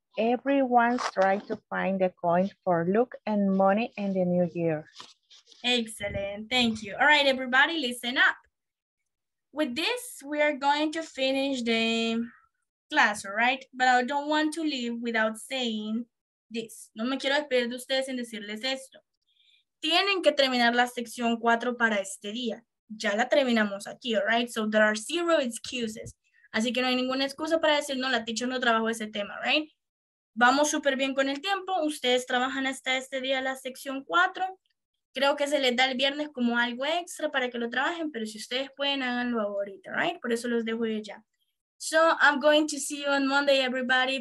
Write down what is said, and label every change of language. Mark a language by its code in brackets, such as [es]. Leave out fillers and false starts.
[en] Everyone tries to find a coin for luck and money in the new year. Excellent, thank you. All right, everybody, listen up. With this, we are going to finish the class, all right? But I don't want to leave without saying this. [es] No me quiero despedir de ustedes sin decirles esto. Tienen que terminar la sección 4 para este día. Ya la terminamos aquí, [en] all right? So there are zero excuses. [es] Así que no hay ninguna excusa para decir, no, la teacher no trabajó ese tema, right? Vamos súper bien con el tiempo. Ustedes trabajan hasta este día la sección 4. Creo que se les da el viernes como algo extra para que lo trabajen, pero si ustedes pueden, háganlo ahorita, right? Por eso los dejo ya. [en] So I'm going to see you on Monday, everybody.